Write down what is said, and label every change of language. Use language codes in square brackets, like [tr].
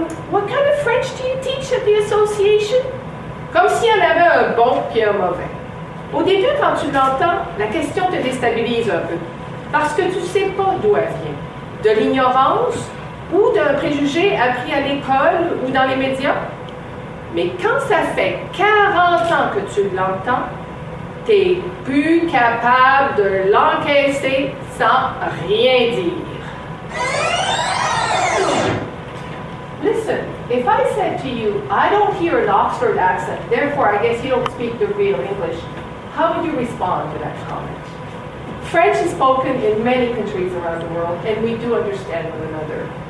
[en] What kind of French do you teach at the association? [fr] Comme s'il y en avait un bon puis un mauvais. Au début, quand tu l'entends, la question te déstabilise un peu. Parce que tu ne sais pas d'où elle vient. De l'ignorance ou d'un préjugé appris à l'école ou dans les médias? Mais quand ça fait 40 ans que tu l'entends, tu n'es plus capable de l'encaisser sans rien dire. [en] Listen, if I said to you, I don't hear an Oxford accent, therefore I guess you don't speak the real English, how would you respond to that comment? French is spoken in many countries around the world, and we do understand one another.